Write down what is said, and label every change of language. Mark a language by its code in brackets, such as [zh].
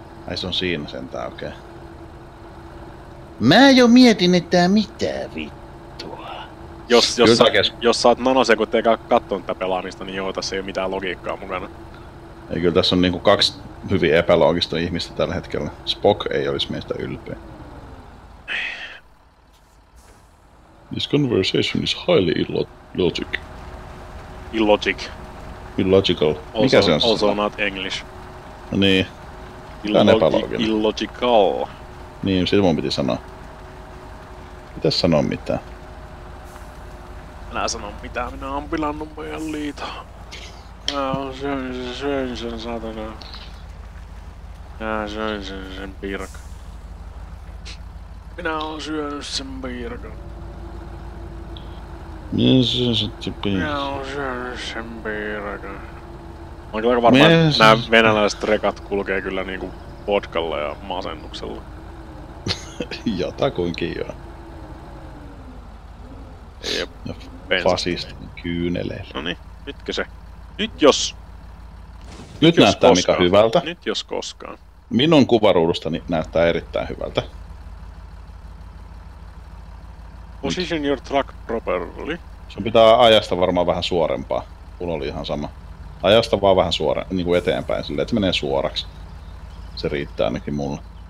[fi] Ai se on siinä sentään, okei. Okay. Mä jo mietin, että mitä vittua. Jos sä oot nanosekunti eikä kattoon tätä pelaamista, niin joo, tässä ei oo mitään logiikkaa mukana. Ei, kyllä tässä on niinku 2 hyvin epäloogista ihmistä tällä hetkellä. Spock ei olisi meistä ylpeä. [en] This conversation is highly illogic. Illogic. Illogical. [fi] Mikä [en] also, [fi] se on? [en] Also not English. [fi] No niin. Tää on epälooginen. [en] Illogical. [fi] Niin, sit mun piti sanoa. Mitäs sanoa mitään? Minä sanon mitään, minä oon pilannut meidän liiton. Mä oon syönyt sen satana. Mä syön sen piirakan. Minä oon syönyt sen piirakan. Minä syön sen piirakan. Minä oon syönyt sen piirakan. Mä oon kyllä varmaan, että nää venäläiset rekat kulkee kyllä niinku vodkalla ja masennuksella. Jotakuinkin joo. Jep. Fasistin kyyneleillä. Noni, nytkö se? Nyt jos... Nyt jos näyttää koskaan. Mika hyvältä. Nyt jos koskaan. Minun kuvaruudustani näyttää erittäin hyvältä. [en] Position your truck properly. [fi] Sun pitää ajasta varmaan vähän suorempaa. Mun oli ihan sama. Ajasta vaan vähän suoraan, niinku eteenpäin silleen, että se menee suoraksi. Se riittää ainakin mulle.